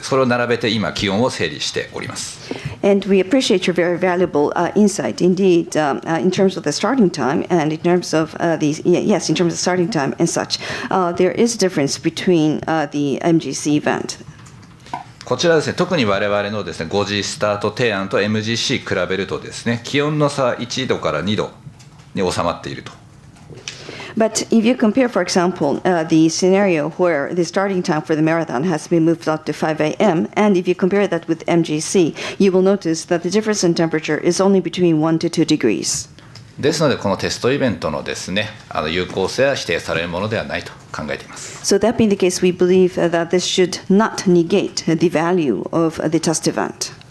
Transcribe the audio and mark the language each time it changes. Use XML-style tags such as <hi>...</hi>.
<ja>それを並べて今、気温を整理しております。</ja> <en>And we appreciate your very valuable insight indeed in terms of the starting time and in terms of in terms of starting time and such. There is a difference between the MGC event.</en> <ja>こちらですね、特に我々のですね、5時スタート提案と MGC 比べるとですね、気温の差1度から2度に収まっていると。</ja> <en>But if you compare, for example, the scenario where the starting time for the marathon has been moved up to 5 a.m., and if you compare that with MGC, you will notice that the difference in temperature is only between 1 to 2 degrees.</en> <ja>ですので、このテストイベントのですね、有効性は否定されるものではないと。</ja> <en>So that being the case, we believe that this should not negate the value of the test event.</en>